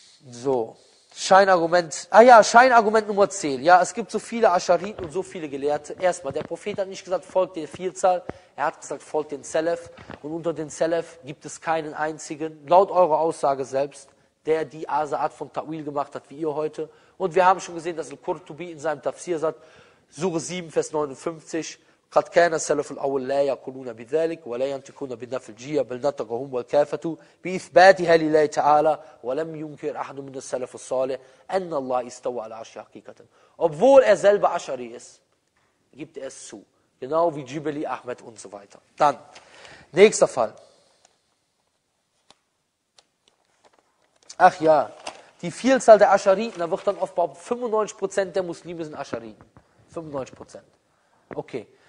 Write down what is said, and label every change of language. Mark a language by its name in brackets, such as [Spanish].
[German] So, Scheinargument, Scheinargument Nummer 10. Ja, es gibt so viele Aschariten und so viele Gelehrte. Erstmal, der Prophet hat nicht gesagt, folgt der Vielzahl. Er hat gesagt, folgt den Salaf. Und unter den Salaf gibt es keinen einzigen, laut eurer Aussage selbst, der die Asa'at von Ta'wil gemacht hat, wie ihr heute. Und wir haben schon gesehen, dass Al-Qurtubi in seinem Tafsir sagt, Sure 7, Vers 59, [Arabic] قد كان السلف الأول لا يقولون بذلك ولا ينطقون بالنفي الجية بل نطقهم والكافة بإثباتها لله تعالى ولم ينكر أحد من السلف الصالح أن الله استوى على العرش حقيقة. [German] Obwohl er selber Aschari ist, gibt er es zu. Genau wie Jibali, Ahmed und so weiter. Dann, nächster Fall. Ach ja, die Vielzahl der Aschariten, da wird dann oft behauptet, 95% der Muslime sind Aschariten. 95%. Okay.